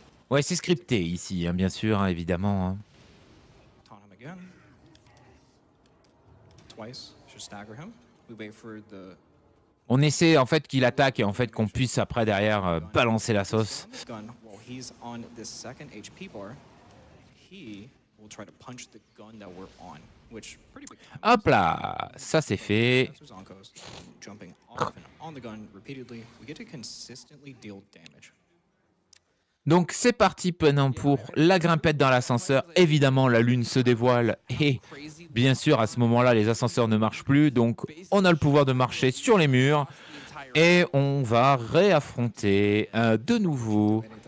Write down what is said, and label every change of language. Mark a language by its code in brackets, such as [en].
[fr] Ouais, c'est scripté ici, hein, bien sûr, hein, évidemment. Hein. [en] Again. Twice, should stagger him. We wait for the. [fr] On essaie en fait qu'il attaque et en fait qu'on puisse après derrière balancer la sauce. [en] Gun. While he's on this second HP bar, he will try to punch the gun that we're on, which pretty big. [fr] Hop là, ça c'est fait. [en] Jumping off and on the gun repeatedly, we get to consistently deal damage. [fr] Donc c'est parti maintenant pour la grimpette dans l'ascenseur. Évidemment, la lune se dévoile et bien sûr, à ce moment-là, les ascenseurs ne marchent plus. Donc on a le pouvoir de marcher sur les murs et on va réaffronter de nouveau.